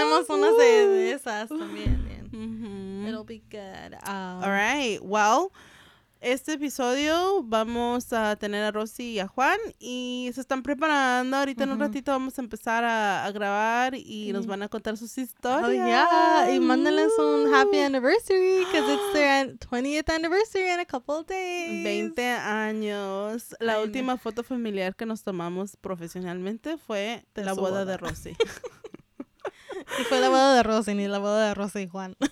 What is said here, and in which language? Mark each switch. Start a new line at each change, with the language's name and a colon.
Spanish: Tenemos unas de esas también.
English: It'll be good. All right.
Spanish: Well, este episodio vamos a tener a Rosy y a Juan y se están preparando. Ahorita en un ratito vamos a empezar a grabar y nos van a contar sus historias.
English: Oh, yeah.
Spanish: Y mándenles un
English: happy anniversary because it's their 20th anniversary in a couple of days.
Spanish: 20 años. La última foto familiar que nos tomamos profesionalmente fue de la boda de Rosy. Y fue la boda de Rosy, ni la boda de Rosy y Juan.